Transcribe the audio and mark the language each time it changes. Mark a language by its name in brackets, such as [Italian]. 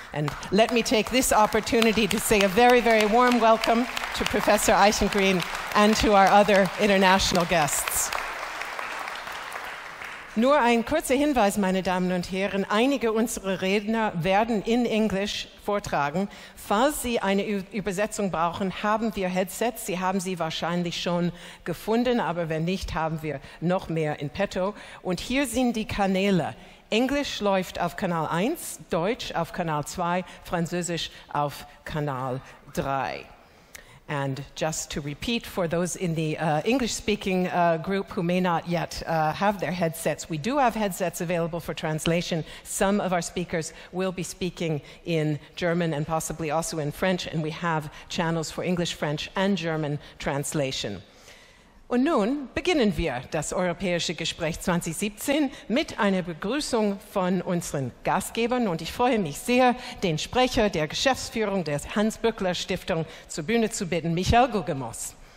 [English] And let me take this opportunity to say a very, very warm welcome to Professor Eichengreen and to our other international guests. [German] Nur ein kurzer Hinweis, meine Damen und Herren, einige unserer Redner werden in Englisch vortragen. Falls Sie eine Übersetzung brauchen, haben wir Headsets. Sie haben sie wahrscheinlich schon gefunden, aber wenn nicht, haben wir noch mehr in petto. Und hier sind die Kanäle. Englisch läuft auf Kanal 1, Deutsch auf Kanal 2, Französisch auf Kanal 3. [English] And just to repeat for those in the English-speaking group who may not yet have their headsets, we do have headsets available for translation. Some of our speakers will be speaking in German and possibly also in French, and we have channels for English, French and German translation. [German] Und nun beginnen wir das Europäische Gespräch 2017 mit einer Begrüßung von unseren Gastgebern. Und ich freue mich sehr, den Sprecher der Geschäftsführung der Hans-Böckler-Stiftung zur Bühne zu bitten, Michel Gugemos.